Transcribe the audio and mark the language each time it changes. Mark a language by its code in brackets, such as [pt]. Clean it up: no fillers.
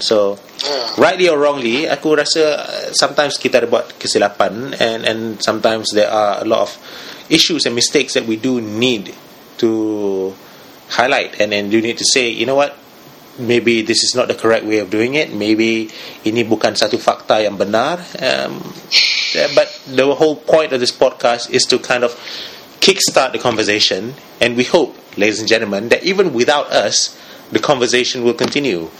[en] So, rightly or wrongly, [ms] aku rasa [en] sometimes [ms] kita ada buat kesilapan, [en] and sometimes there are a lot of issues and mistakes that we do need to highlight, and then you need to say, you know what? Maybe this is not the correct way of doing it. [ms] Maybe ini bukan satu fakta yang benar. [en] But the whole point of this podcast is to kind of kickstart the conversation. And we hope, ladies and gentlemen, that even without us, the conversation will continue.